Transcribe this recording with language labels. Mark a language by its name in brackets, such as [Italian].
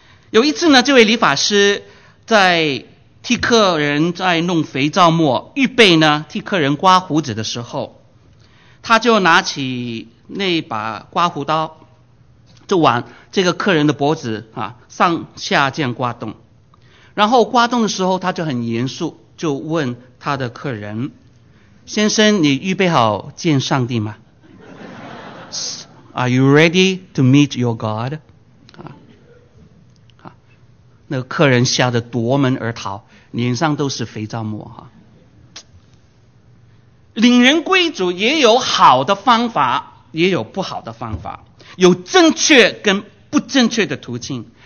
[Chinese] 有一次呢，这位理发师在替客人在弄肥皂沫，预备呢替客人刮胡子的时候，他就拿起那把刮胡刀就往这个客人的脖子上下这样刮动，然后刮动的时候他就很严肃，就问他的客人：先生，你预备好见上帝吗？ [English] Are you ready to meet your God? [Chinese] 那个客人吓得夺门而逃，脸上都是肥皂沫。领人归主也有好的方法，也有不好的方法，有正确跟不正确的途径。